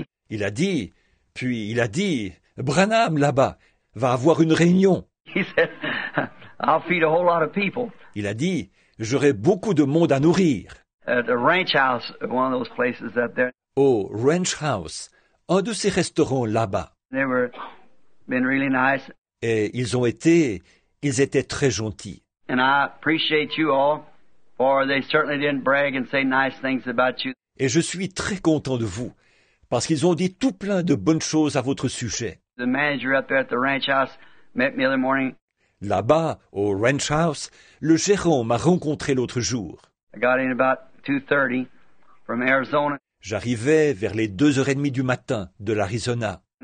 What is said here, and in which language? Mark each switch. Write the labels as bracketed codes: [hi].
[fr] Il a dit, puis il a dit, Branham là-bas va avoir une réunion. [en] I'll feed a whole lot of people. [fr] Il a dit, j'aurai beaucoup de monde à nourrir. [en] The ranch house, one of those places up there. [fr] Au Ranch House, un de ces restaurants là-bas. [en] Been really nice. [fr] Et ils étaient très gentils. [en] And I appreciate you all, for they certainly didn't brag and say nice things about you. [fr] Et je suis très content de vous, parce qu'ils ont dit tout plein de bonnes choses à votre sujet. [en] The manager up there at the ranch house met me the other morning. [fr] Là-bas, au Ranch House, le gérant m'a rencontré l'autre jour. [en] I got in about 2:30 from Arizona. [fr] J'arrivais vers les 2h30 du matin de l'Arizona.